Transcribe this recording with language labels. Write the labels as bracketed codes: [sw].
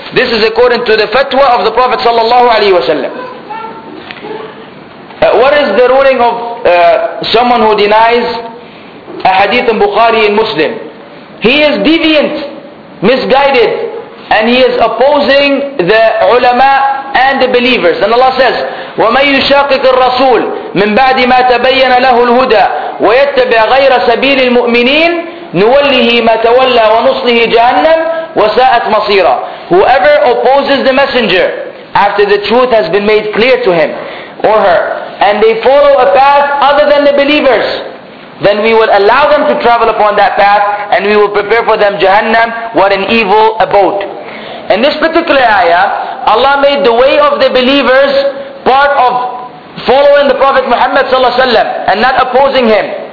[en] This is according to the fatwa of the Prophet sallallahu alayhi wa sallam. What is the ruling of someone who denies a hadith in Bukhari in Muslim? He is deviant, misguided, and he is opposing the ulama and the believers. And Allah says, [ar] وَمَنْ يُشَاقِقِ الرَّسُولِ مِنْ بَعْدِ مَا تَبَيَّنَ لَهُ الْهُدَى وَيَتَّبِعَ غَيْرَ سَبِيلِ الْمُؤْمِنِينَ نُوَلِّهِ مَا تَوَلَّى وَنُصْلِهِ جَهَنَّمْ وَسَاءَتْ مَصِيرًا. [en] Whoever opposes the messenger after the truth has been made clear to him or her, and they follow a path other than the believers, then we will allow them to travel upon that path, and we will prepare for them Jahannam, what an evil abode. In this particular ayah, Allah made the way of the believers part of following the Prophet Muhammad ﷺ and not opposing him.